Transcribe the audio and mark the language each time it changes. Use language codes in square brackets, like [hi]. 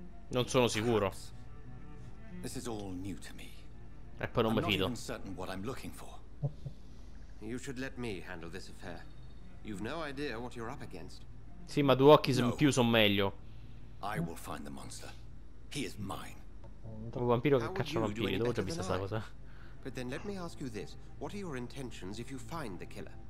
[it] Non sono sicuro. [en] This is all new to me. [it] E poi non mi fido. [en] I'm not certain what I'm looking for. You should let me handle this affair. You've no idea what you're up against. [it] Sì, ma due occhi in più sono meglio. [en] I will find the monster. He is mine. [it] Un vampiro che caccia vampiri, dove già vista sta cosa? [en] But then let me ask you this. What are your intentions if you find the killer?